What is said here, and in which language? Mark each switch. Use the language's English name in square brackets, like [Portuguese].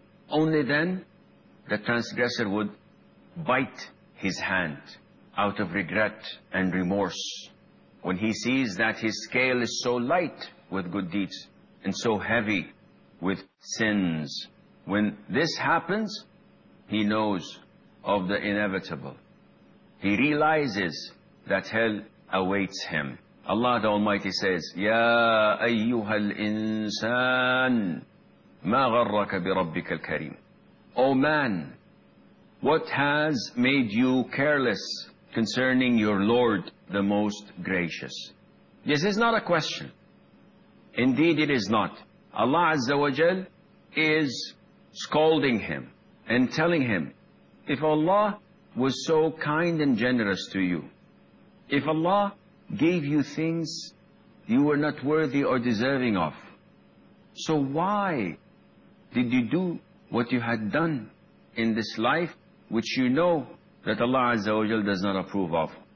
[English] Only then the transgressor would bite his hand out of regret and remorse when he sees that his scale is so light with good deeds and so heavy with sins. When this happens, he knows of the inevitable. He realizes that hell awaits him. Allah the Almighty says, [Arabic] يَا أَيُّهَا الْإِنسَانِ مَا غَرَّكَ بِرَبِّكَ الْكَرِيمِ. [English] O man, what has made you careless concerning your Lord, the Most Gracious? This is not a question. Indeed, it is not. Allah Azza wa Jal is scolding him and telling him, if Allah was so kind and generous to you, if Allah gave you things you were not worthy or deserving of, so why did you do what you had done in this life, which you know that Allah Azza wa Jal does not approve of?